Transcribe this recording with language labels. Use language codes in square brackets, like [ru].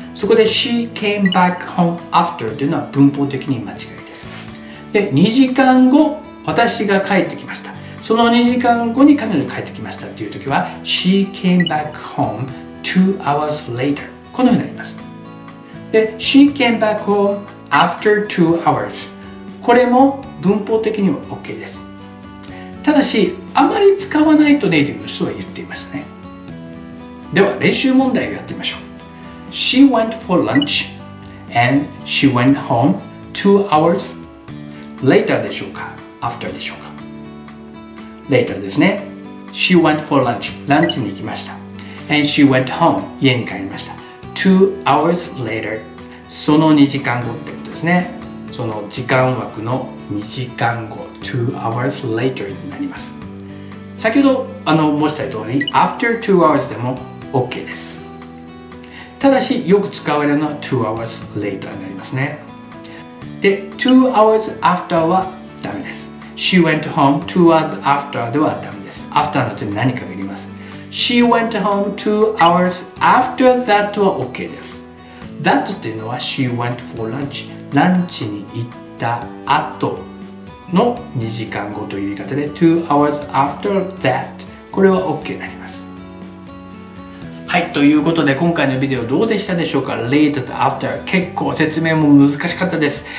[ja] そこで [en] She came back home after [ja] というのは文法的に間違いです。で、2時間後私が帰ってきました、その2時間後に彼女が帰ってきましたという時は [en] She came back home 2 hours later、 [ja] このようになります。で、 [en] She came back home after 2 hours、 [ja] これも文法的には OK です。ただし、あまり使わないとネイティブの人は言っていましたね。では練習問題をやってみましょう。 [en] She went for lunch and she went home 2 hours later [ja] でしょうか、 after でしょうか。 later ですね。 [en] She went for lunch、 [ja] ランチに行きました。 [en] and she went home、 [ja] 家に帰りました。 2 hours later、 その2時間後ってことですね。その時間枠の2時間後、 2 hours later になります。先ほど申した通り、 after 2 hours でもOK です。ただし、よく使われるのは2 hours later になりますね。で、2 hours after はダメです。 [en] She went home 2 hours after [ja] ではダメです。 after の後に何かがいります。 [en] She went home 2 hours after that [ja] は OK です。 that というのは [en] She went for lunch、 [ja] ランチに行った後の2時間後という言い方で、 [en] 2 hours after that、 [ja] これは OK になります。はい、ということで今回のビデオどうでしたでしょうか。Late と After 結構説明も難しかったです。